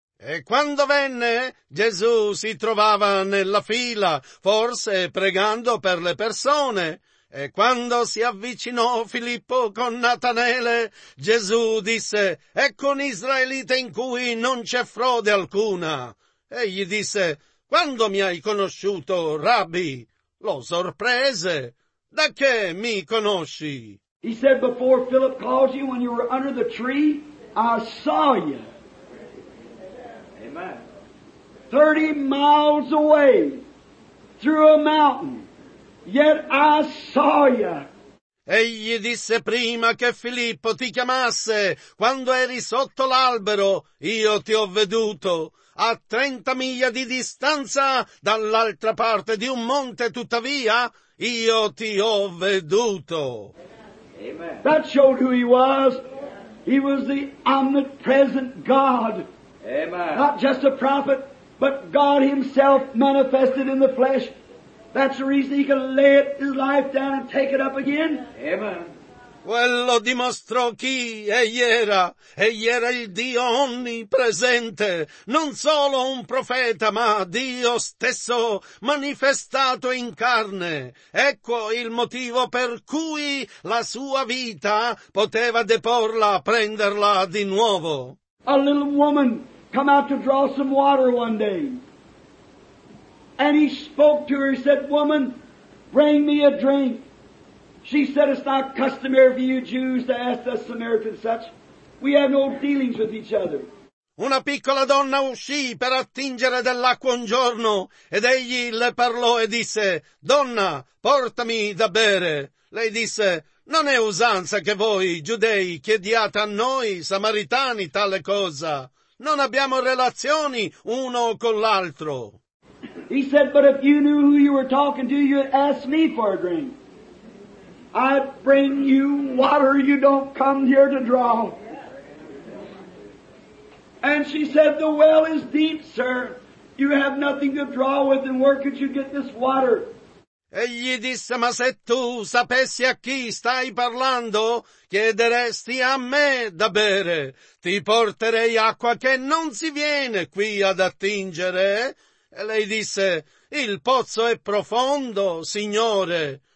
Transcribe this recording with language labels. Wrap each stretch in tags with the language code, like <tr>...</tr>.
<it>E quando venne, Gesù si trovava nella fila, forse pregando per le persone. E quando si avvicinò Filippo con Natanele, Gesù disse, «Ecco un israelite in cui non c'è frode alcuna». Egli disse, «Quando mi hai conosciuto, Rabbi?» Lo sorprese. «Da che mi conosci?»</it> <en>He said, «Before Philip called you when you were under the tree, I saw you». Amen. 30 miles away, through a mountain, yet I saw you.</en> <it>Egli disse prima che Filippo ti chiamasse, quando eri sotto l'albero, io ti ho veduto. A 30 miglia di distanza, dall'altra parte di un monte, tuttavia, io ti ho veduto.</it> <en>Amen. That showed who he was. He was the omnipresent God. Amen. Not just a prophet, but God himself manifested in the flesh. That's the reason he can lay his life down and take it up again. Amen.</en> <it>Quello dimostrò chi egli era il Dio onnipresente, non solo un profeta, ma Dio stesso manifestato in carne. Ecco il motivo per cui la sua vita poteva deporla, prenderla di nuovo.</it> <en>A little woman come out to draw some water one day, and he spoke to her, he said, "Woman, bring me a drink." She said, "It's not customary for you Jews to ask us Samaritans such. We have no dealings with each other."</en> <it>Una piccola donna uscì per attingere dell'acqua un giorno, ed egli le parlò e disse, "Donna, portami da bere." Lei disse, "Non è usanza che voi, giudei, chiediate a noi, samaritani, tale cosa. Non abbiamo relazioni uno con l'altro."</it> <en>He said, "But if you knew who you were talking to, you'd ask me for a drink. I bring you water you don't come here to draw." And she said, "The well is deep, sir. You have nothing to draw with, and where could you get this water?"</en> <it>Egli disse, "Ma se tu sapessi a chi stai parlando, chiederesti a me da bere. Ti porterei acqua che non si viene qui ad attingere." E lei disse, "Il pozzo è profondo, signore.</it>